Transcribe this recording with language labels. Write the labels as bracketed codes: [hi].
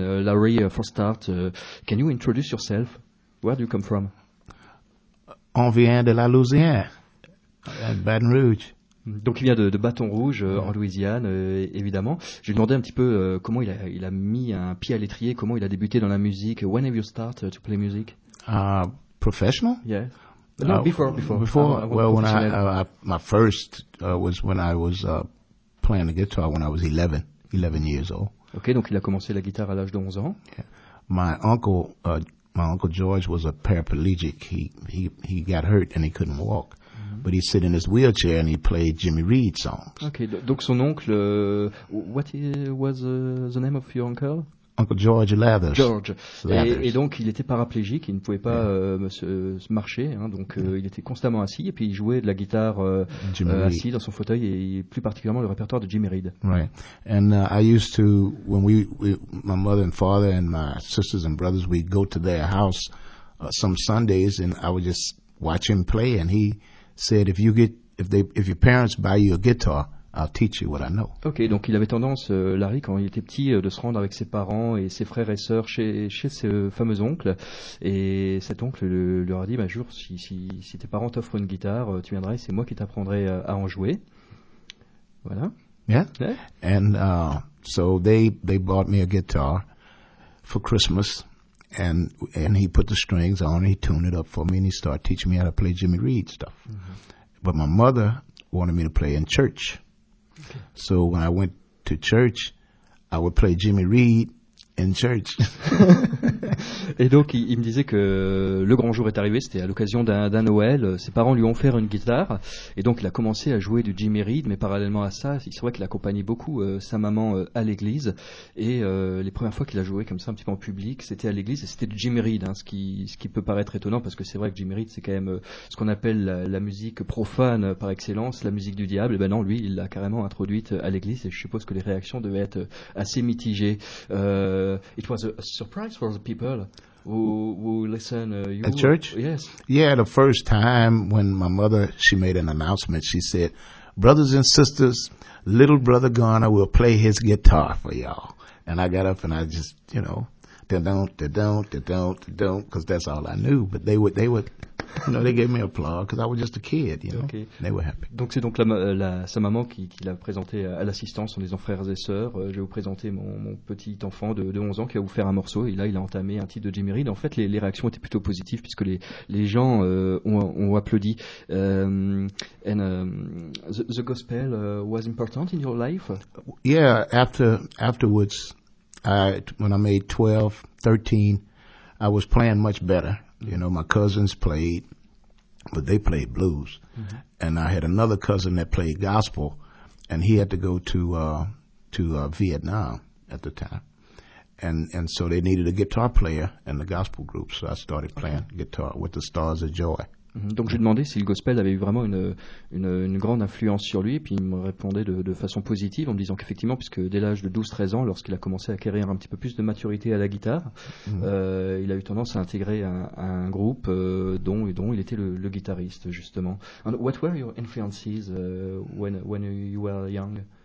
[en] Larry, for start, can you introduce yourself? Where do you come from? [fr] On vient de la Louisiane, Baton Rouge. Donc il vient de Baton Rouge, en Louisiane, évidemment. Je lui ai demandé un petit peu comment il a mis un pied à l'étrier, comment il a débuté dans la musique. [en] When have you started to play music? Professional? Yes. No, before. Before, my first was when I was playing the guitar when I was 11. 11 years old. [fr] OK, donc il a commencé la guitare à l'âge de 11 ans. [en] Yeah. My uncle George was a paraplegic. He got hurt and he couldn't walk. Mm-hmm. But he sit in his wheelchair and he played Jimmy Reed songs. OK, [fr] donc son oncle [en] what was the name of your uncle? Uncle George Lathers. George. [fr] Et donc il était paraplégique, il ne pouvait pas se marcher, hein, donc il était constamment assis et puis il jouait de la guitare assis dans son fauteuil et plus particulièrement le répertoire de Jimmy Reed. [en] Right. And I used to, when we, my mother and father and my sisters and brothers, we'd go to their house some Sundays and I would just watch him play and he said, if your parents buy you a guitar, I'll teach you what I know. [fr] OK, donc il avait tendance, Larry, quand il était petit, de se rendre avec ses parents et ses frères et sœurs chez ce fameux oncle. Et cet oncle leur a dit, un jour, si tes parents t'offrent une guitare, tu viendras et c'est moi qui t'apprendrai à en jouer. Voilà. [en] Yeah. Yeah. And so they bought me a guitar for Christmas. And he put the strings on, he tuned it up for me and he started teaching me how to play Jimmy Reed stuff. Mm-hmm. But my mother wanted me to play in church. Okay. So when I went to church, I would play Jimmy Reed in church. [fr] Et donc, il me disait que le grand jour est arrivé, c'était à l'occasion d'un Noël. Ses parents lui ont offert une guitare et donc il a commencé à jouer du Jimmy Reed. Mais parallèlement à ça, il se voit qu'il accompagnait beaucoup sa maman à l'église. Et les premières fois qu'il a joué comme ça, un petit peu en public, c'était à l'église et c'était du Jimmy Reed. Hein, ce qui peut paraître étonnant parce que c'est vrai que Jimmy Reed, c'est quand même ce qu'on appelle la musique profane par excellence, la musique du diable. Et ben non, lui, il l'a carrément introduite à l'église et je suppose que les réactions devaient être assez mitigées. [en] It was a surprise for the people. Who listen you at church? Yes. Yeah, the first time when my mother, she made an announcement, she said, brothers and sisters, little brother Garner will play his guitar for y'all. And I got up and I just, you know, da-don't, because that's all I knew. But they would you know, they gave me applause because I was just a kid, you know. Okay. They were happy. [fr] Donc c'est donc sa maman qui l'a présenté à l'assistance en disant frères et sœurs, je vais vous présenter mon petit enfant de 11 ans qui va vous faire un morceau. Et là, il a entamé un titre de Jimmy Reed. En fait, les réactions étaient plutôt positives puisque les gens ont applaudi. [en] The gospel was important in your life? Yeah, afterwards, when I made 12, 13, I was playing much better. You know, my cousins played, but they played blues. Mm-hmm. And I had another cousin that played gospel, and he had to go to Vietnam at the time. And so they needed a guitar player in the gospel group, so I started playing guitar with the Stars of Joy. [fr] Donc j'ai demandé si le gospel avait eu vraiment une grande influence sur lui, et puis il me répondait de façon positive en me disant qu'effectivement, puisque dès l'âge de 12-13 ans, lorsqu'il a commencé à acquérir un petit peu plus de maturité à la guitare, il a eu tendance à intégrer un groupe dont il était le guitariste, justement. [en] And what were your influences when you were young?